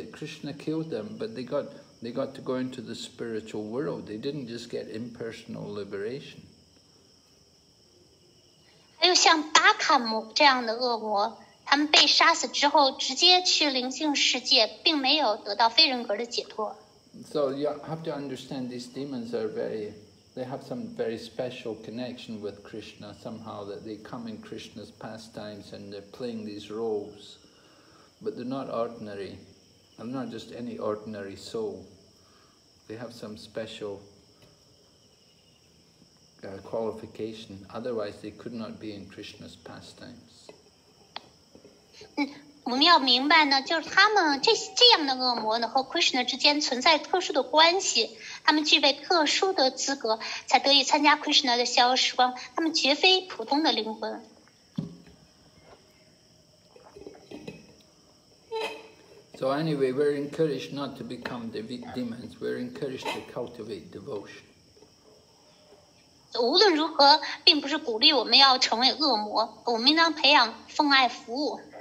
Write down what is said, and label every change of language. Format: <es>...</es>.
<en>Krishna killed them, but they got to go into the spiritual world. They didn't just get impersonal liberation.</en> <zh>还有像巴卡姆这样的恶魔，他们被杀死之后直接去灵性世界，并没有得到非人格的解脱。</zh> <en>So you have to understand these demons are very, they have some very special connection with Krishna somehow, that they come in Krishna's pastimes and they're playing these roles. But they're not ordinary. They're not just any ordinary soul. They have some special qualification. Otherwise, they could not be in Krishna's pastimes.</en> <zh>我们要明白呢，就是他们这样的恶魔呢和 Krishna 之间存在特殊的关系，他们具备特殊的资格才得以参加 Krishna 的逍遥时光，他们绝非普通的灵魂。</zh> <en>So anyway, we're encouraged not to become demons, we're encouraged to cultivate devotion.</en> <zh>无论如何并不是鼓励我们要成为恶魔，我们应当培养奉爱服务。</zh>